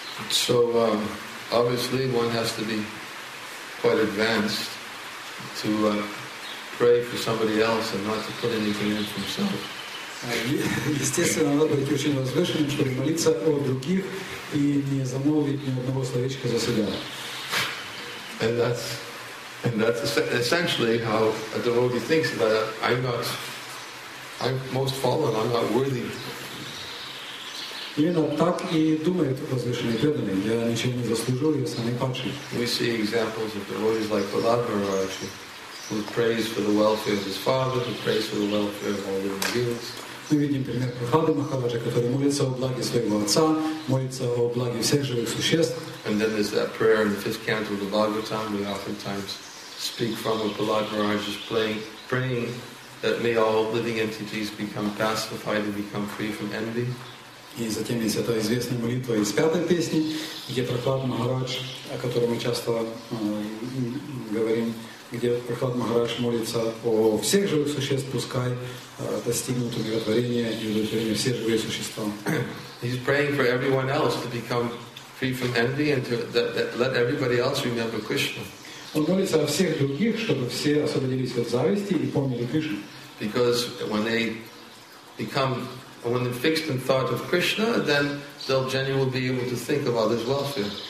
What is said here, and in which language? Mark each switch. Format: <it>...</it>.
<en>So obviously one has to be quite advanced to pray for somebody else and not to put anything in for himself.</en> <ru>Естественно, надо быть очень возвышенным, чтобы молиться о других и не замолвить ни одного словечка за себя.</ru> <en>And that's essentially how a devotee thinks about it. I'm most fallen, I'm not worthy.</en> <ru>Именно так и думает возвышенный преданный. Я ничего не заслужил, я самый падший.</ru> <en>We see examples of devotees like Balabharaj, who prays for the welfare of his father, who prays for the welfare of all living beings.</en> <ru>Мы видим пример Прахлады Махараджа, который молится о благе своего отца, молится о благе всех живых существ.</ru> <en>And then there's that prayer in the fifth canto of the Bhagavatam. We oftentimes speak from what Balabharaj is praying that may all living entities become pacified and become free from envy.</en> <ru>И затем есть эта известная молитва из пятой песни, где Прахлада Махарадж, о котором мы часто говорим, где Прахлад Махарадж молится о всех живых существ, пускай достигнут умиротворения и удовлетворения все живые существа.</ru> <en>He's praying for everyone else to become free from envy and to that let everybody else remember Krishna.</en> <ru>Он молится о всех других, чтобы все освободились от зависти и помнили Кришну.</ru> <en>Because when they become, when they're fixed in thought of Krishna, then they'll genuinely be able to think of others' welfare.</en>